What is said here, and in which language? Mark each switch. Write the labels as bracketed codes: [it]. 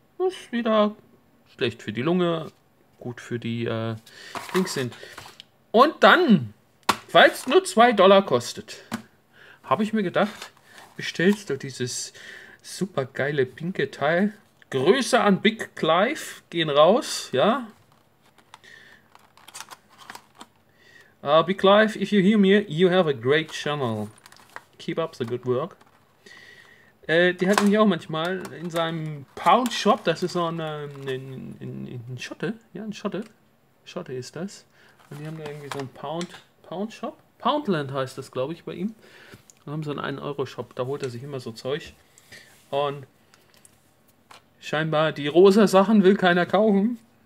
[de] Ist wieder schlecht für die Lunge, gut für die Dings sind. Und dann, weil es nur 2 Dollar kostet, habe ich mir gedacht, bestellst du dieses super geile pinke Teil. Grüße an Big Clive, gehen raus, ja. [en] Big Clive, if you hear me, you have a great channel. Keep up the good work. [de] Die hat nämlich auch manchmal in seinem Pound Shop, das ist so ein Schotte, ja, ein Schotte. Schotte ist das. Und die haben da irgendwie so einen Pound Shop. Poundland heißt das, glaube ich, bei ihm. Und haben so einen 1-Euro-Shop, da holt er sich immer so Zeug. Und scheinbar die rosa Sachen will keiner kaufen.